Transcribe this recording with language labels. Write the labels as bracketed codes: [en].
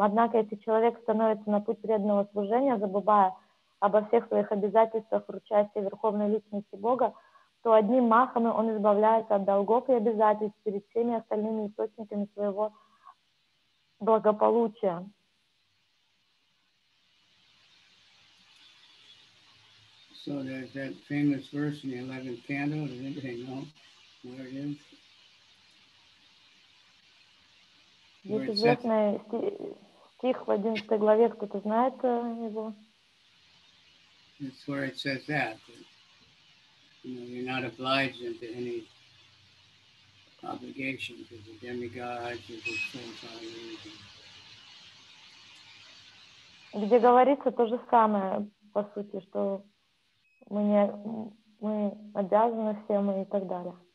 [ru] Однако, если человек становится на путь преданного служения, забывая обо всех своих обязательствах в участии Верховной Личности Бога, то одним махом он избавляется от долгов и обязательств перед всеми остальными источниками своего благополучия. [en] So there's that famous verse in the 11th canto. Does anybody know where it is? [ru] Есть известный стих в 11 главе. Кто-то знает его? [en] It's where it says that. You know, you're not obliged into any obligation because the demigods or the forefathers. [ru] Где говорится то же самое, по сути, что мы обязаны всем и так далее.